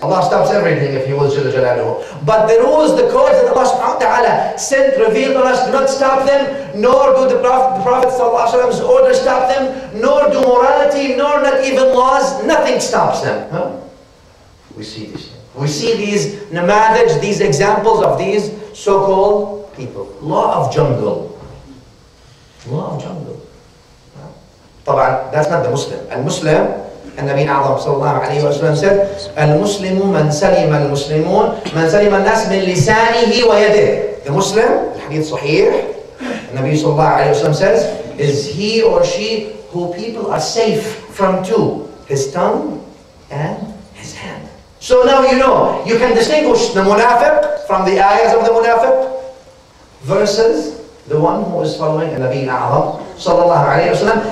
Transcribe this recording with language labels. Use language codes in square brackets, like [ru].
[en] Allah stops everything if He wills Jalla Jalaluhu. But the rules, the codes that Allah subhanahu wa ta'ala sent, revealed on us, do not stop them, nor do the Prophet sallallahu alayhi wa sallam's order stop them, nor do morality, nor not even laws, nothing stops them. We see these things. We see these namadaj, these examples of these so-called people. Law of jungle. Law of jungle. [ar] طبعا [en] that's not the Muslim. [ar] المسلم النبي أعظم صلى الله عليه وسلم [en] said, [ar] المسلم من سلم المسلمون من سلم الناس من لسانه ويده. [en] The Muslim, [ar] الحديث صحيح, النبي صلى الله عليه وسلم [en] says, is he or she who people are safe from two, his tongue and his hand. So now you know, you can distinguish the munafiq from the ayahs of the munafiq versus the one who is following the Nabi A'adham sallallahu alayhi wa sallam.